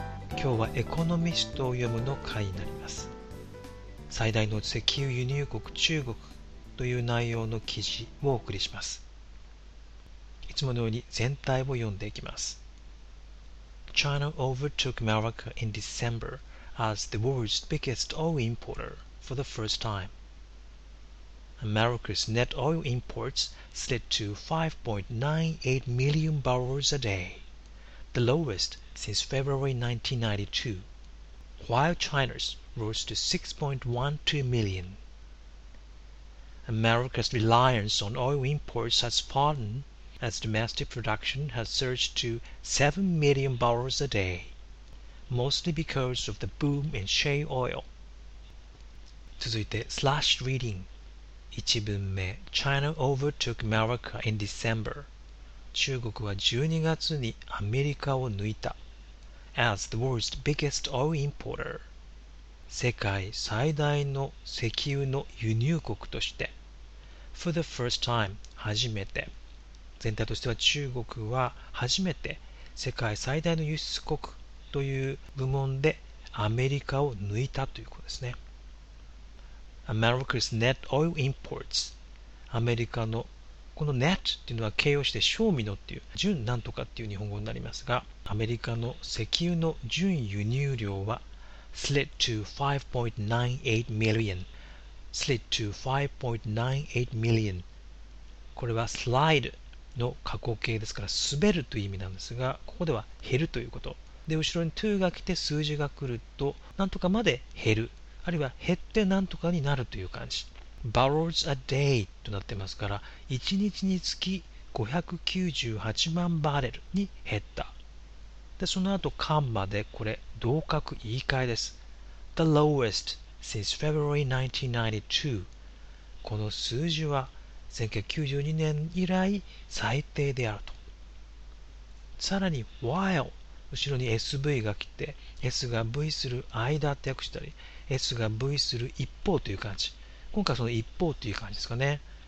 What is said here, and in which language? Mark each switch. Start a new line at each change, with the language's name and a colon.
Japanese: 今日はエコノミストを読むの回になります。最大の石油輸入国中国という内容の記事をお送りします。いつものように全体を読んでいきます。
English: China overtook America in December as the world's biggest oil importer for the first time. America's net oil imports slid to 5.98 million barrels a day, the lowest since February 1992, while China's rose to 6.12 million. America's reliance on oil imports has fallen as domestic production has surged to 7 million barrels a day, mostly because of the boom in shale oil.
Japanese: 続いて
English: slash reading 1文目 China overtook America in December.
Japanese: 中国は12月にアメリカを抜いた。
English: As the world's biggest oil importer.
Japanese: 世界最大の石油の輸入国として。
English: For the first time,
Japanese: 初めて。全体としては中国は初めて世界最大の輸出国という部門でアメリカを抜いたということですね。
English: America's net oil imports.
Japanese: アメリカのこの net っていうのは形容詞で正味のっていう純なんとかっていう日本語になりますが、アメリカの石油の純輸入量は
English: slid to 5.98 million. slid to 5.98 million.
Japanese: これは slide の過去形ですから滑るという意味なんですが、ここでは減るということで、後ろに2が来て数字が来るとなんとかまで減る、あるいは減ってなんとかになるという感じ。
English: Barrels a day
Japanese: となってますから、1日につき598万バレルに減った。でその後カンマで、これ同格言い換えです。
English: The lowest since February 1992。
Japanese: この数字は1992年以来最低であると。さらに while、 後ろに SV が来て S が V する間って訳したり、 S が V する一方という感じ、今回その一方という感じですかね。